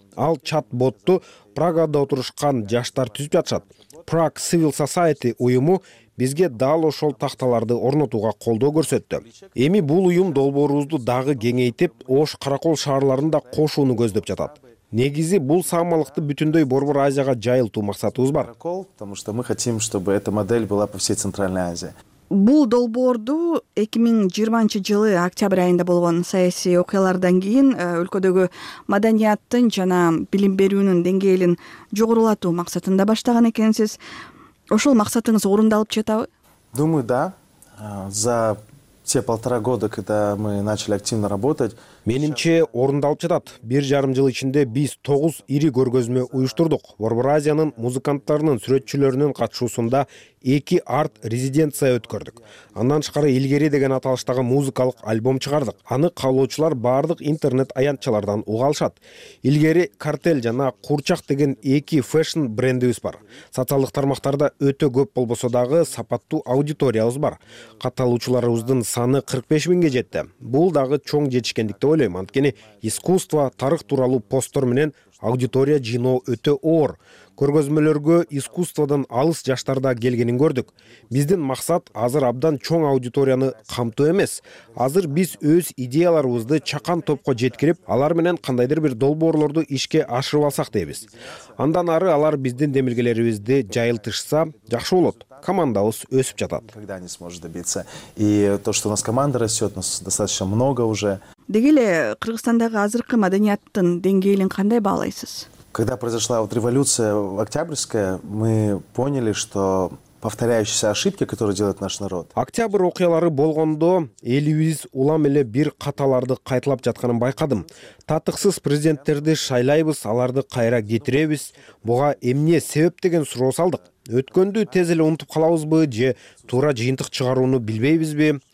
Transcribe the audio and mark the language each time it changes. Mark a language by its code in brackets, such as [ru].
[ky] Ал чат-ботту Прагада отурушкан жаштар түзүп жатышат. Prague Civil Society уюму бизге дал ошол такталарды орнотууга колдоо көрсөттү. Эми бул уюм долбооруузду дагы кеңейтип, Ош Каракол шаарларын да кошууну көздөп жатат. Негизи бул саамалыкты бүтүндөй Борбор Азияга жайылтуу максатыбыз бар. [ru] Потому что мы хотим, чтобы эта модель была по всей Центральной Азии. [ky] Бул долбоорду 2020 жылы октябрь айында болгон саясий окуялардан кийин өлкөдөгү маданияттын жана билим берүүнүн деңгээлин жогорулатуу максатында баштаган экенсиз. Ошол максатыңыз орундалып жатабы? [ru] Думаю, да. За те полтора года, когда мы начали активно работать. [ky] Менимче орундалып жатат. Бир жарым жыл ичинде биз 9 ири көргөзмө уюштурдук. Борбор Азиянын музыканттарынын, сүрөтчүлөрүнүн катышуусунда 2 арт резиденция өткөрдүк. Андан тышкары Илгери деген аталыштагы музыкалык альбом чыгардык. Аны каалоочулар бардык интернет аянтчалардан уга алышат. Илгери Картель жана Курчак деген 2 фэшн брендибиз бар. Социалдык тармактарда өтө көп болбосо дагы сапаттуу аудиториябыз бар. Катталуучуларыбыздын саны 45 миңге жетти. Бул дагы чоң жетишкендик деп ойлойм, анткени искусство, тарых тууралуу постор менен аудитория жыйноо өтө оор. Көргөзмөлөргө искусстводон алыс жаштар да келгенин көрдүк. Биздин максат азыр абдан чоң аудиторияны камтуу эмес. Азыр биз өз идеяларыбызды чакан топко жеткирип, алар менен кандайдыр бир долбоорлорду ишке ашырып алсак дейбиз. Андан ары алар биздин демилгелерибизди жайылтышса жакшы болот. Командабыз өсүп жатат. [ru] Когда они сможет добиться? И то, что у нас команда растет, у нас достаточно много уже. [ky] Деги эле Кыргызстандагы азыркы маданияттын деңгээлин кандай баалайсыз? [ru] Когда произошла вот революция октябрьская, мы поняли, что повторяющиеся ошибки, которые делает наш народ. [ky] Октябрь окуялары болгондо элибиз улам эле бир каталарды кайталап жатканын байкадым. Татыксыз президенттерди шайлайбыз, аларды кайра кетиребиз. Буга эмне себеп деген суроо салдык. Өткөндү тез эле унутуп калабызбы же туура жыйынтык чыгарууну билбейбизби?